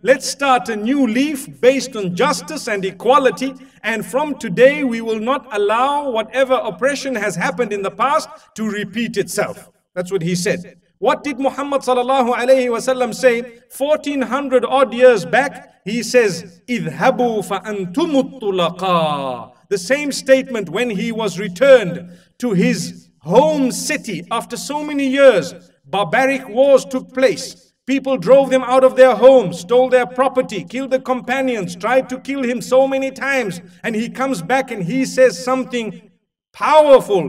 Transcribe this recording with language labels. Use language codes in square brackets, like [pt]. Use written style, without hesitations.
[en] Let's start a new leaf based on justice and equality. And from today, we will not allow whatever oppression has happened in the past to repeat itself. That's what he said. What did Muhammad sallallahu alayhi wasallam say 1400 odd years back? He says, [ar] اذهبوا فأنتم الطلقاء. [en] The same statement when he was returned to his home city after so many years. Barbaric wars took place. People drove them out of their homes, stole their property, killed the companions, tried to kill him so many times. And he comes back and he says something powerful.